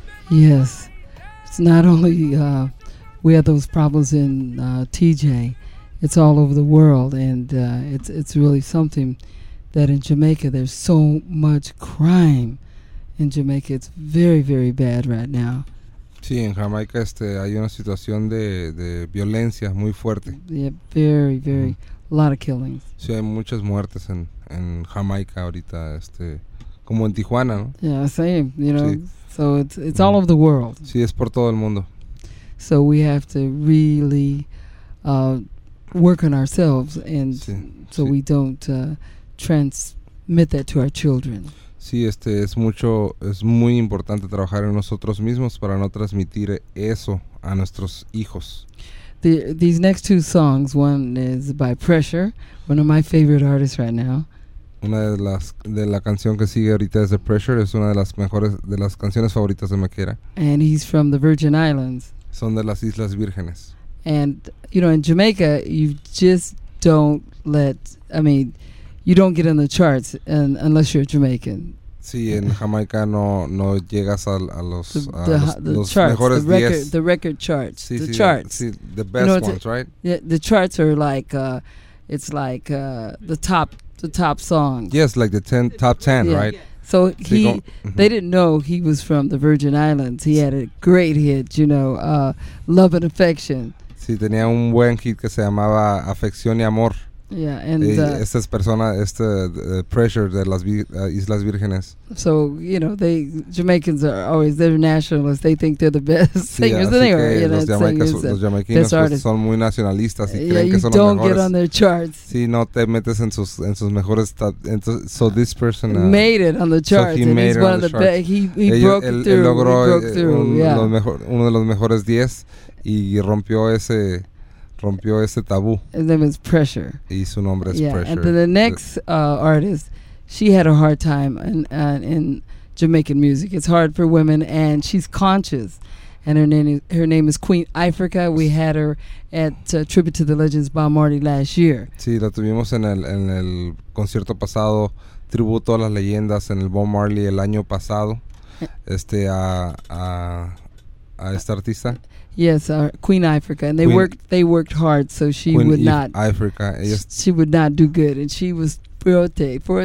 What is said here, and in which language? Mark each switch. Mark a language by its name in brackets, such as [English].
[English] Yes, it's not only we have those problems in TJ, it's all over the world, and it's really something that in Jamaica, there's so much crime in Jamaica, it's very, very bad right now. [Spanish] Sí, en Jamaica hay una situación de violencia muy fuerte. [English] Yeah, very, very, a lot of killings. [Spanish] Sí, hay muchas muertes en Jamaica ahorita, como en Tijuana, ¿no? [English] Yeah, same, you know. Sí. So it's all over the world. [Spanish] Sí, es por todo el mundo. [English] So we have to really work on ourselves, and sí, so sí. We don't transmit that to our children. [Spanish] Sí, es muy importante trabajar en nosotros mismos para no transmitir eso a nuestros hijos. [English] These next two songs, one is by Pressure, one of my favorite artists right now. [Spanish] una de las de la canción que sigue ahorita es The Pressure, es una de las mejores de las canciones favoritas de Maquera. [English] And he's from the Virgin Islands. [Spanish] Son de las Islas Vírgenes. [English] And you know, in Jamaica, you just don't let, I mean, you don't get in the charts and, unless you're Jamaican. [Spanish] Sí, en Jamaica no llegas a los charts, mejores 10. [English] The record charts. Sí, the charts. Sí, the best, you know, ones, right? Yeah, the charts are like it's like the top song. Yes, like the top 10, yeah. Right? So he, they didn't know he was from the Virgin Islands. He had a great hit, you know, Love and Affection. [Spanish] Sí, tenía un buen hit que se llamaba Afección y Amor. [English] Yeah, and [Spanish] esta es persona, este Pressure de las Islas Vírgenes. [English] So, you know, they Jamaicans are always, they're nationalists. They think they're the best singers anywhere. Sí, [Spanish] los jamaicanos son muy nacionalistas y creen que son los mejores. [English] Don't get on their charts. [Spanish] Sí, no te metes en sus mejores. [English] So this person made it on the charts. So he made it on the charts. He broke through. [Spanish] Uno de los mejores 10 y rompió ese tabú. [English] His name is Pressure. [Spanish] Y su nombre es Pressure. [English] And then the next artist, she had a hard time in Jamaican music. It's hard for women, and she's conscious. And her name is Queen Ifrika. We had her at Tribute to the Legends Bob Marley last year. [Spanish] Sí, la tuvimos en el concierto pasado, Tributo a las Leyendas en el Bob Marley el año pasado. A esta artista. [English] Yes, Queen Ifrika, and they worked hard, so she Queen would not. Ifrika, she would not do good, and she was fuerte.